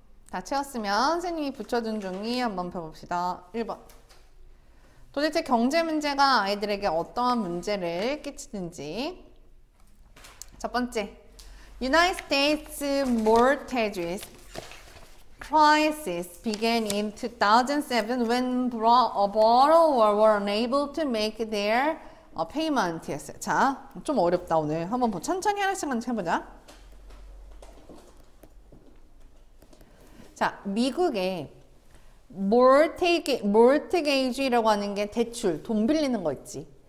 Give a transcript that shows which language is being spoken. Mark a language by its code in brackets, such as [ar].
[ko] 다 채웠으면 선생님이 붙여준 종이 한번 펴봅시다. 1번. 도대체 경제 문제가 아이들에게 어떠한 문제를 끼치는지. 첫 번째. [en] United States mortgage crisis began in 2007 when borrowers were unable to make their payment였어요. [ko] 자, 좀 어렵다 오늘. 한번 뭐 천천히 하나씩 한번 해보자. 자, 미국에 모르테게이지라고 하는 게 대출, 돈 빌리는 거 있지.